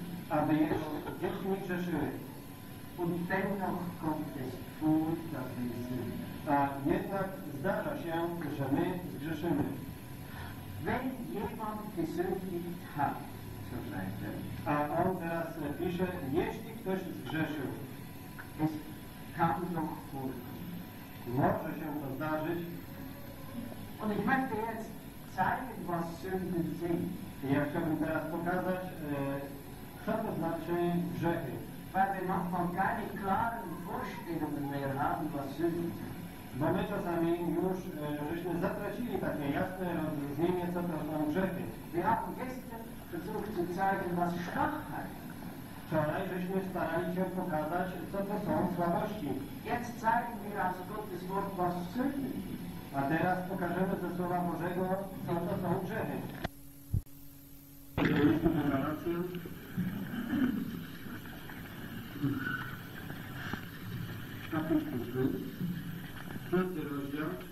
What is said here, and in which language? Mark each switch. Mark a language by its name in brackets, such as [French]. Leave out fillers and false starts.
[Polish] Aby jego dzieci nie grzeszyły. [German] Und dennoch kommt es vor, dass wir sündigen. [Polish] A jednak zdarza się, że my zgrzeszymy. [German] Wenn jemand gesündigt hat, so schreibt er. [Polish] A on teraz pisze, jeśli ktoś zgrzeszył, [German] es kann doch vor. [Polish] Może się to zdarzyć. [German] Und ich möchte jetzt zeigen, was Sünden sind. [Polish] Ja chciałbym teraz pokazać, co to znaczy grzechy. [German] Weil wir manchmal keine klaren Vorstellungen mehr haben, was Sünden sind. [Polish] Bo my czasami już żeśmy zatracili takie jasne rozróżnienie, co to są grzechy. [German] Wir haben gestern versucht zu zeigen, was Schwachheit. [Polish] Wczoraj żeśmy starali się pokazać, co to są słabości. [German] Jetzt zeigen wir aus Gottes Wort, was Sünde. [Polish] A teraz pokażemy ze Słowa Bożego, co to są grzechy. Czwarty rozdział.